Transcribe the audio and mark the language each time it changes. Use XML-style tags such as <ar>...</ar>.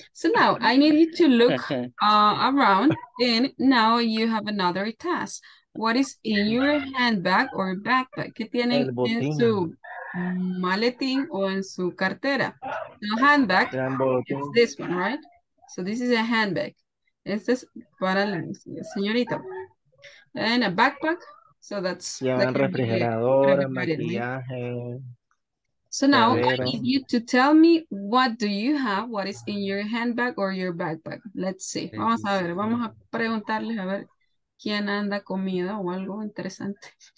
<en>So now I need you to look around, and now you have another task. What is in your handbag or backpack?</en> <es>¿Qué tiene en su maletín o en su cartera?</es> <en>The handbag is this one, right? So this is a handbag.</en> <es>Este es para la señorita.</es> <en>And a backpack. So that's...</en> <es>Yeah, refrigerador, maquillaje.</es> <en>So now I need you to tell me what do you have, what is in your handbag or your backpack. Let's see.</en> <es>Vamos a ver, vamos a preguntarles a ver quién anda comida o algo interesante.</es>